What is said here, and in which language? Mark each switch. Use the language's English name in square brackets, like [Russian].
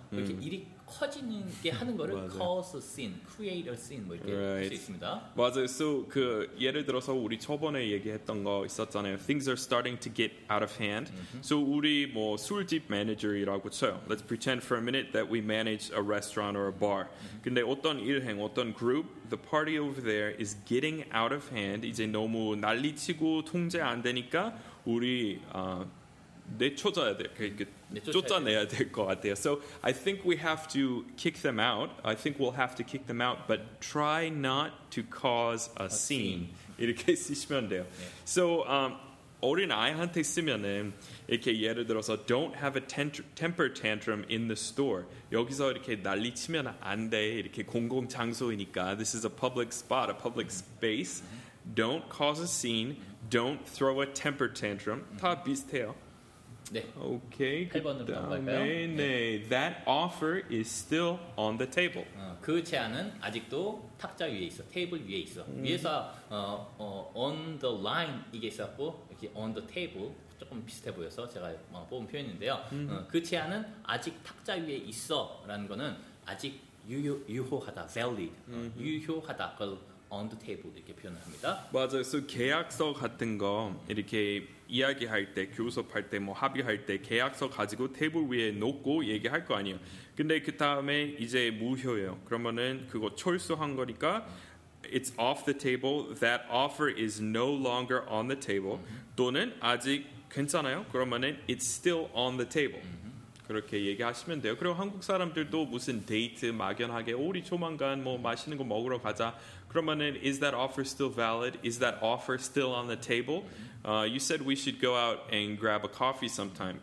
[Korean] 이렇게 일이 커지는 게 하는 거를 cause a scene, create a scene 뭐 이렇게 할 수 right. 있습니다. 맞아요. So 그 예를 들어서 우리 저번에 얘기했던 거 있었잖아요. [English] Things are starting to get out of hand. Mm-hmm. [Korean] So 우리 뭐 술집 매니저라고 쳐요. [English] Let's pretend for a minute that we manage a restaurant or a bar. Mm-hmm. 근데 어떤 일행, 어떤 group, the party over there is getting out of hand. [Korean] 이제 너무 난리치고 통제 안 되니까 우리 내쫓아야 돼. 그러니까 쫓아내야 될 것 같아요. [English] So I think we have to kick them out. I think we'll have to kick them out, but try not to cause a scene. [Korean] 이렇게 쓰시면 돼요. 네. So 어린 아이한테 쓰면은 이렇게 예를 들어서 don't have a temper tantrum in the store. 여기서 이렇게 난리 치면 안 돼. 이렇게 공공 장소이니까. [English] This is a public spot, a public space. Don't cause a scene. Don't throw a temper tantrum. 다 비슷해요. [Korean] 네. 오케이. 8번으로 넘어갈까요? [English] 네. That offer is still on the table. [Korean] 그 제안은 아직도 탁자 위에 있어. 테이블 위에 있어. 위에서 on the line 이게 있었고 이렇게 on the table 조금 비슷해 보여서 제가 뽑은 표현인데요. 그 제안은 아직 탁자 위에 있어라는 거는 아직 유효하다. Valid. 유효하다. 그걸 on the table 이렇게 표현을 합니다. 맞아요. So 계약서 같은 거 이렇게 이야기할 때, 교섭할 때, 뭐 합의할 때 계약서 가지고 테이블 위에 놓고 얘기할 거 아니에요. 근데 그 다음에 이제 무효예요. 그러면은 그거 철수한 거니까 It's off the table. [English] That offer is no longer on the table. [Korean] 또는 아직 괜찮아요. 그러면은 It's still on the table. 그렇게 얘기하시면 돼요. 그리고 한국 사람들도 무슨 데이트 막연하게 우리 조만간 뭐 맛있는 거 먹으러 가자. [English] 그러면은 Is that offer still valid? Is that offer still on the table? You said we should go out and grab a coffee sometime.